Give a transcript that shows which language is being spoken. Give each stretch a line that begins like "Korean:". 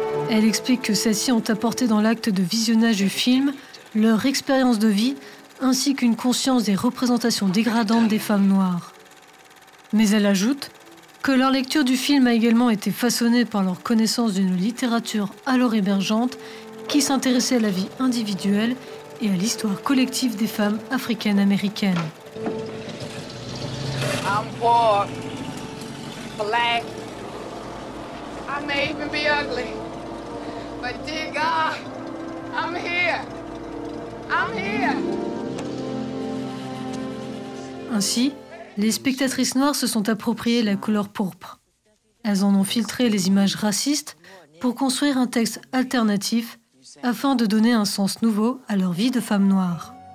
French: Elle explique que celles-ci ont apporté dans l'acte de visionnage du film leur expérience de vie ainsi qu'une conscience des représentations dégradantes des femmes noires. Mais elle ajoute que leur lecture du film a également été façonnée par leur connaissance d'une littérature alors émergente qui s'intéressait à la vie individuelle et à l'histoire collective des femmes africaines-américaines.
English: I'm poor, black, I may even be ugly, but dear God, I'm here.
French: Ainsi, les spectatrices noires se sont appropriées la couleur pourpre. Elles en ont filtré les images racistes pour construire un texte alternatif afin de donner un sens nouveau à leur vie de femmes noires.